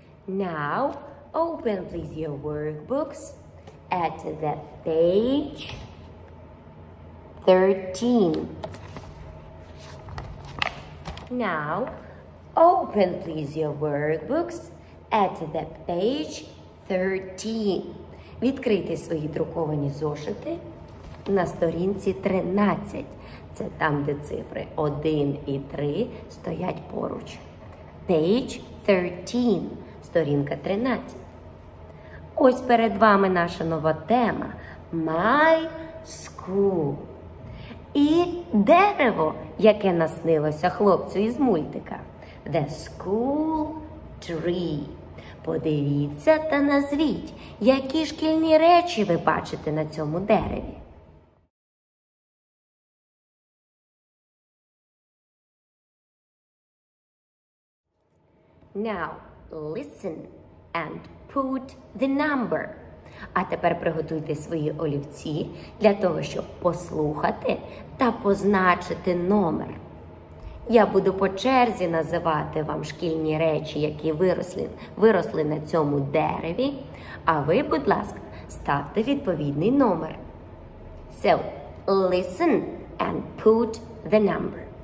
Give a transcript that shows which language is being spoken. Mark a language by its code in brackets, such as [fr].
[en] Now, open please your workbooks at the page 13. Now, open please your workbooks at the page 13. [uk] Відкрийте свої друковані зошити на сторінці 13. Це там, де цифри 1 і 3 стоять поруч. [en] Page 13. [uk] Сторінка 13. Ось перед вами наша нова тема. [en] My school. [uk] І дерево, яке наснилося хлопцю із мультика. [en] The school tree. [uk] Подивіться та назвіть, які шкільні речі ви бачите на цьому дереві. [en] Now, listen and put the number. [uk] А тепер приготуйте свої олівці для того, щоб послухати та позначити номер. Я буду по черзі називати вам шкільні речі, які виросли на цьому дереві. А ви, будь ласка, ставте відповідний номер. [en] So, listen and put the number.